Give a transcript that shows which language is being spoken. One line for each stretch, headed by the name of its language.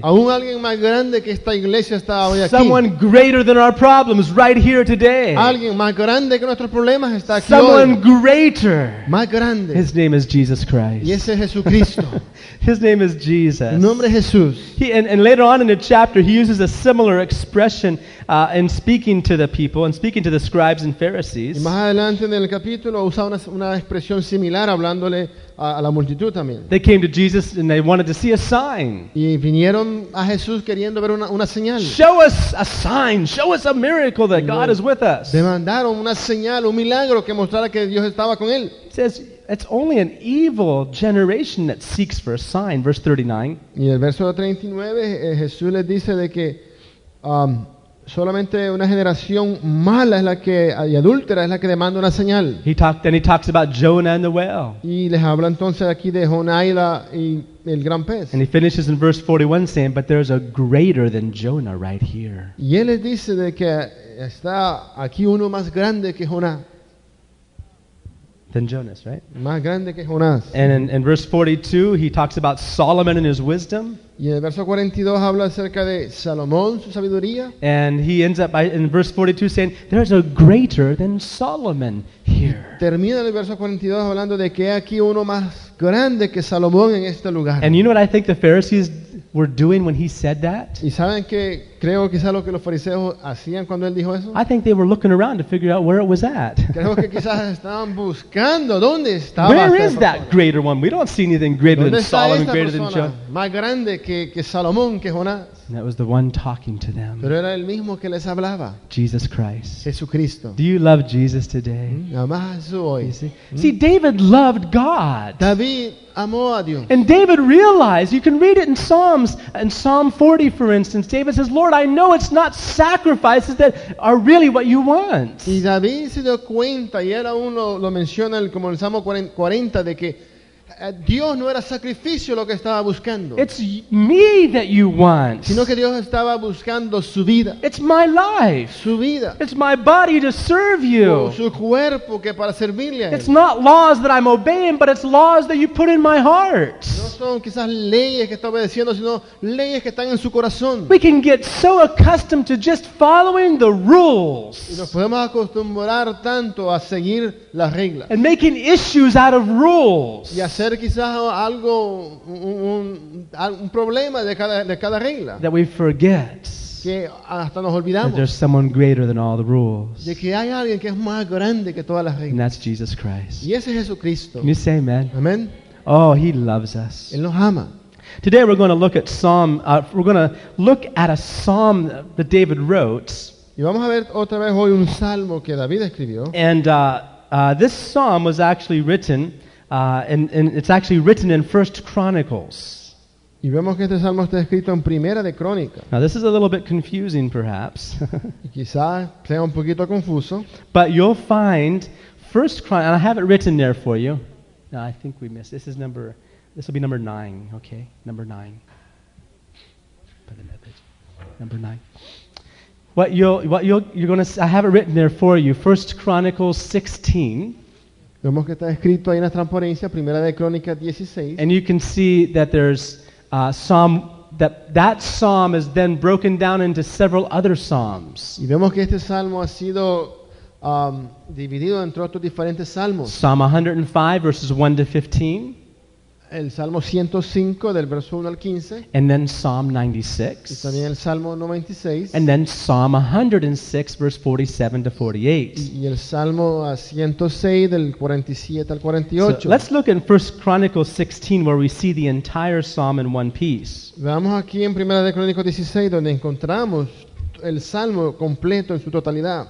Spanish: Aún alguien más grande que esta iglesia está hoy aquí.
English: Someone greater than our problems right here today.
Spanish: Alguien más grande que nuestros problemas está aquí.
English: Someone
Spanish: hoy.
English: Greater.
Spanish: Más grande.
English: His name is Jesus Christ.
Spanish: Y ese es Jesucristo.
English: His name is Jesus.
Spanish: El nombre es Jesús.
English: And later on in the chapter he uses a similar expression in speaking to the people and speaking to the scribes and Pharisees.
Spanish: Y más adelante en el capítulo usa una expresión similar hablándole a la multitud también.
English: They came to Jesus and they wanted to see a sign.
Spanish: Y vinieron a Jesús queriendo ver una señal.
English: Show us a sign, show us a miracle that God is with us.
Spanish: Demandaron una señal, un milagro que mostrara que Dios estaba con él.
English: It says, it's only an evil generation that seeks for a sign, verse 39.
Spanish: Y el verso 39 Jesús les dice de que solamente una generación mala es la que, y adúltera es la que demanda una señal.
English: Then he talks about Jonah and the whale.
Spanish: Y les habla entonces aquí de Jonah y el gran pez.
English: And he finishes in verse 41 saying, but there's a greater than Jonah right here.
Spanish: Y él les dice de que está aquí uno más grande que Jonah.
English: Than Jonas, right?
Spanish: Más grande que Jonás.
English: And in verse 42, he talks about Solomon and his wisdom.
Spanish: Y el verso 42 habla acerca de Salomón, su sabiduría.
English: And he ends up in verse 42 saying, there's a greater than Solomon here.
Spanish: Termina el verso 42 hablando de que hay aquí uno más grande que Salomón en este lugar.
English: And you know what I think the Pharisees were doing when he said that?
Spanish: ¿Y saben qué? Creo quizás lo que los fariseos hacían cuando él dijo eso.
English: I think they were looking around to figure out where it was at.
Spanish: Creo que quizás estaban buscando dónde estaba.
English: Where is that greater one? We don't see anything greater than Solomon, greater than Jonah.
Spanish: Más grande que Salomón, que Jonás.
English: That was the one talking to them.
Spanish: Pero era el mismo que les hablaba.
English: Jesus Christ.
Spanish: Jesucristo.
English: Do you love Jesus today?
Spanish: ¿Amas a Jesús hoy?
English: You see? See, David loved God.
Spanish: David amó a Dios.
English: And David realized, you can read it in Psalms, in Psalm 40 for instance, David says, Lord, I know it's not sacrifices that are really what you want.
Spanish: Y David se dio cuenta, y era uno lo menciona como el Salmo 40, de que Dios no era sacrificio lo que estaba buscando.
English: It's me that you want.
Spanish: Sino que Dios estaba buscando su vida.
English: It's my life.
Spanish: Su vida.
English: It's my body to serve you.
Spanish: Su cuerpo que para servirle a él.
English: It's not laws that I'm obeying, but it's laws that you put in my heart.
Spanish: No son quizás leyes que está obedeciendo, sino leyes que están en su corazón.
English: We can get so accustomed to just following the rules.
Spanish: Y nos podemos acostumbrar tanto a seguir las reglas.
English: And making issues out of rules.
Spanish: Hacer quizás algo un problema de cada regla.
English: That we forget.
Spanish: Que hasta nos olvidamos.
English: That there's someone greater than all the rules.
Spanish: De que hay alguien que es más grande que todas las reglas.
English: And that's Jesus Christ.
Spanish: Y ese es Jesucristo.
English: Can you say amen? Amen. Oh, he loves us.
Spanish: Él nos ama.
English: Today we're going to look at Psalm. We're going to look at a psalm that David wrote.
Spanish: Y vamos a ver otra vez hoy un salmo que David escribió.
English: And this psalm was actually written. And it's actually written in 1 Chronicles.
Spanish: Y vemos que este salmo está escrito en Primera de Crónica.
English: Now this is a little bit confusing perhaps.
Spanish: Quizá sea un poquito confuso.
English: But you'll find 1 Chronicles, and I have it written there for you. No, I think we missed. This is number, this will be number 9, okay? Number 9. Number 9. What you're going to, I have it written there for you. 1 Chronicles 16.
Spanish: Vemos que está escrito ahí en la transparencia, Primera de Crónica 16.
English: And you can see that there's psalm that psalm is then broken down into several other psalms.
Spanish: Y vemos que este salmo ha sido dividido entre otros diferentes salmos.
English: Psalm 105 verses 1 to 15.
Spanish: El Salmo 105 del verso 1 al 15.
English: And then Psalm 96.
Spanish: Y también el Salmo 96.
English: And then Psalm 106 verse 47 to 48.
Spanish: Y el Salmo 106 del 47 al 48.
English: So let's look in 1 Chronicles 16 where we see the entire psalm in one piece.
Spanish: Veamos aquí en Primera de Crónicos 16 donde encontramos el salmo completo en su totalidad.